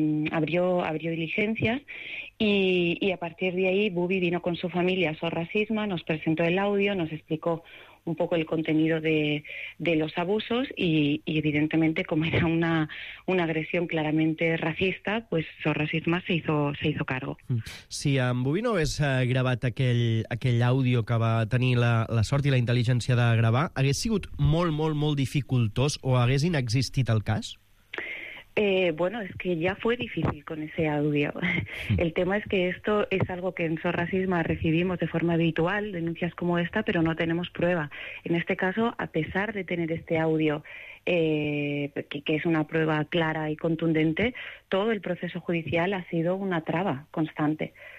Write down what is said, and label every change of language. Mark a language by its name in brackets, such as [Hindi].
[Spanish] abrió diligencias, y a partir de ahí Bubi vino con su familia a Sorracisme, nos presentó el audio, nos explicó un poco el contenido de los abusos, y evidentemente, como era una agresión claramente racista, pues Sorracisme se hizo cargo. [Catalan] Si en Bubi no hagués gravat aquell àudio que va tenir la sort i la intel·ligència de gravar, hagués sigut molt, molt, molt dificultós o hagués inexistit el cas? [Spanish] Bueno, es que ya fue difícil con ese audio. El tema es que esto es algo que en Sorracisme recibimos de forma habitual, denuncias como esta, pero no tenemos prueba. En este caso, a pesar de tener este audio, que es una prueba clara y contundente, todo el proceso judicial ha sido una traba constante.